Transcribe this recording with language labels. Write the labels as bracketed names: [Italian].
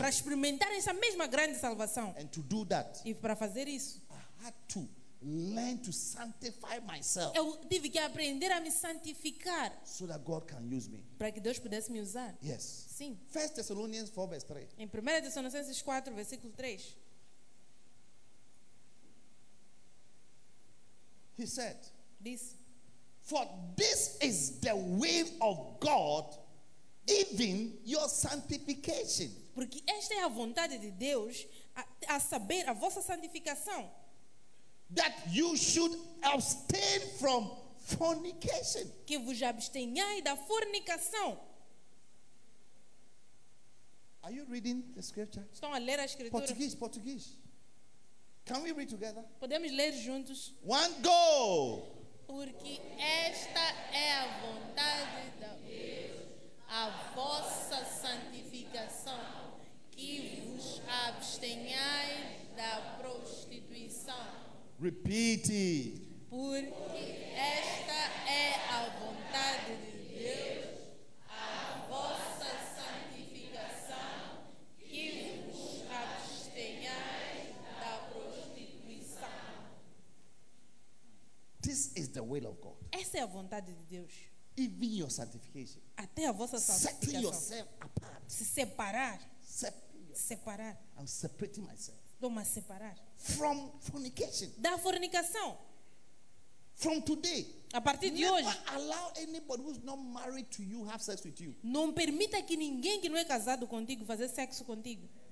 [Portuguese] Para experimentar essa mesma grande salvação. [English] And to do that. [Portuguese] E para fazer isso, [English] I had to learn to sanctify myself. [Portuguese] Eu tive que aprender a me santificar. [English] So that God can use me. [Portuguese] Para que Deus pudesse me usar. [English] Yes. [Portuguese] Sim. [English] 1 Thessalonians 4 verse 3. [Portuguese] Em 1 Tessalonicenses 4 versículo 3. [English] He said, this for this is the will of God Even your sanctification. [Portuguese] Porque esta é a vontade de Deus, a saber, a vossa santificação. [English] That you should abstain from fornication. [Portuguese] Que vos abstenhais da fornicação. [English] Are you reading the scripture? [Portuguese] Estão a ler a escritura? [English] Portuguese, Portuguese. Can we read together? [Portuguese] Podemos ler juntos? [English] One go. [Portuguese] Porque esta é a vontade de Deus, a vossa santificação, que vos abstenhais da prostituição. [English] Repeat it. [Portuguese] Porque esta é a vontade de Deus, a vossa santificação, que vos abstenhais da prostituição. [English] This is the will of God. [Portuguese] Essa é a vontade de Deus. [English] Even your sanctification. [Portuguese] Até a vossa santificação. [English] Setting yourself apart. [Portuguese] Se separar. Separar. [English] I'm separating myself. [Portuguese] Estou a separar. [English] From fornication. [Portuguese] Da fornicação. [English] From today. [Portuguese] A partir de hoje. [English] Never allow anybody who's not married to you have sex with you. [Portuguese] Não permita que ninguém que não é casado contigo fazer sexo contigo.